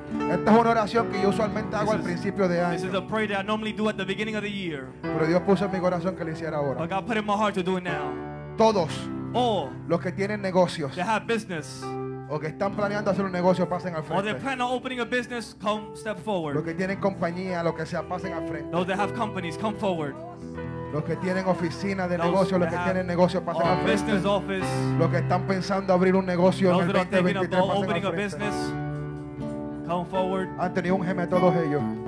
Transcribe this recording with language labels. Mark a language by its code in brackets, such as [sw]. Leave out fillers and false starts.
[es] Esta es una oración que yo usualmente hago al principio de año. [en] This is a prayer that I normally do at the beginning of the year. [es] Pero Dios puso en mi corazón que lo hiciera ahora. [en] But God put in my heart to do it now. [es] Todos. [en] All. [es] Los que tienen negocios. [en] That have business. [es] O que están planeando hacer un negocio, pasen al frente. [en] Or they plan on opening a business, come step forward. [es] Los que tienen compañía, lo que sea, pasen al frente. [en] Those that have companies, come forward. [es] Los que tienen oficina de negocio, los que tienen negocio, pasen al frente. [en] Office, [es] los que están pensando abrir un negocio en el 2023, pasen al frente. [en] Business, come forward. [es] Han tenido un gemelo todos ellos.